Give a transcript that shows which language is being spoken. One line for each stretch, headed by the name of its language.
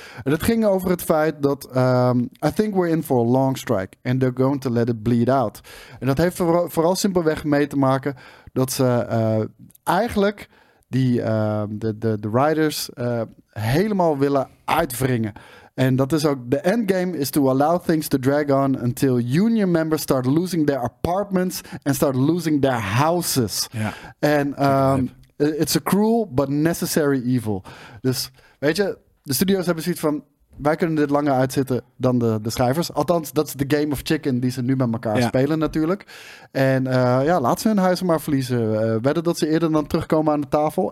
Dutch: En het ging over het feit dat
English: I think we're in for a long strike and they're going to let it bleed out.
Dutch: En dat heeft vooral simpelweg mee te maken dat ze eigenlijk de writers helemaal willen uitwringen. En dat is ook,
English: the endgame is to allow things to drag on until union members start losing their apartments and start losing their houses. Yeah. And it's a cruel but necessary evil.
Dutch: Dus weet je, de studio's hebben zoiets van, wij kunnen dit langer uitzitten dan de schrijvers. Althans, dat is de game of chicken die ze nu met elkaar spelen natuurlijk. En ja, laat ze hun huizen maar verliezen. Wedden dat ze eerder dan terugkomen aan de tafel.